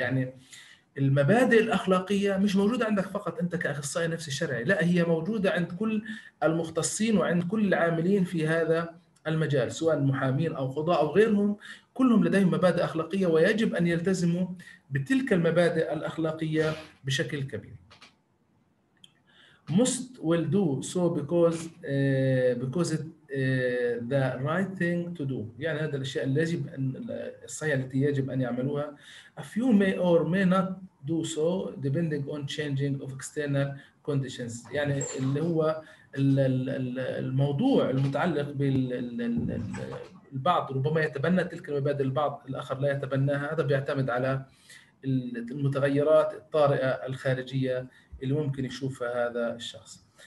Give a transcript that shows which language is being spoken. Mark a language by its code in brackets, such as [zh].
[ar] يعني المبادئ الأخلاقية مش موجودة عندك فقط أنت كأخصائي نفسي شرعي، لا هي موجودة عند كل المختصين وعند كل العاملين في هذا المجال سواء محامين أو قضاء أو غيرهم، كلهم لديهم مبادئ أخلاقية ويجب أن يلتزموا بتلك المبادئ الأخلاقية بشكل كبير. [en] Most will do so because it the right thing to do. [ar] يعني هذا الأشياء اللي الصحيحة التي يجب أن يعملوها. [en] A few may or may not do so depending on changing of external conditions. [ar] يعني اللي هو الموضوع المتعلق بالبعض ربما يتبنى تلك المبادئ، البعض الآخر لا يتبناها، هذا بيعتمد على المتغيرات الطارئة الخارجية اللي ممكن يشوفها هذا الشخص.